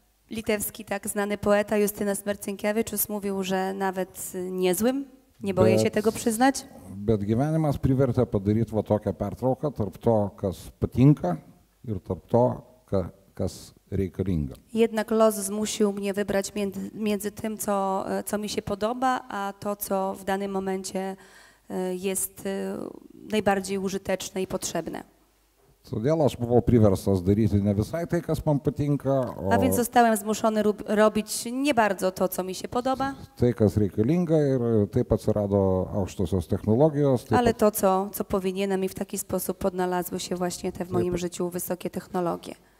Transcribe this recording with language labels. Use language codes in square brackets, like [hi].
[pl] Litewski tak znany poeta Justinas Marcinkevičius mówił, że nawet niezłym, nie boję się tego przyznać. [lt] Bet gyvenimas privertė padaryti va tokią pertrauką tarp to, kas patinka ir tarp to, kas reikalinga. [pl] Jednak los zmusił mnie wybrać między tym, co mi się podoba, a to, co w danym momencie jest najbardziej użyteczne i potrzebne. [lt] Todėl aš buvau priverstas daryti ne visai tai, kas man patinka. [pl] A więc zostałem zmuszony robić nie bardzo to, co mi się podoba. [lt] Tai, kas reikalinga ir taip atsirado aukštosios technologijos. [pl] Ale to, co powinienem i w taki sposób odnalazły się właśnie te w moim życiu wysokie technologie.